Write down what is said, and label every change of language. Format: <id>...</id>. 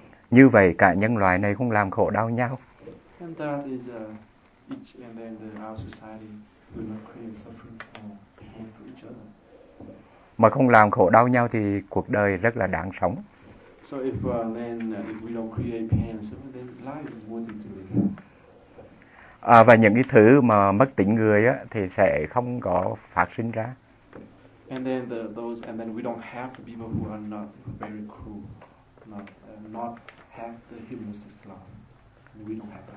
<vi>Như vậy cả nhân loại này không làm khổ đau nhau.</vi> <en>And that is each and then the our society will not create suffering for each other.</en> <vi>Mà không làm khổ đau nhau thì cuộc đời rất là đáng sống.</vi> <en>So if then if we don't create pain, so then life is worth it to live.</en> <vi>Và những cái thứ mà mất tỉnh người á thì sẽ không có phát sinh ra.</vi> <en>And then the, those and then we don't have the people who are not very cruel, not not have the humanistic love.</en>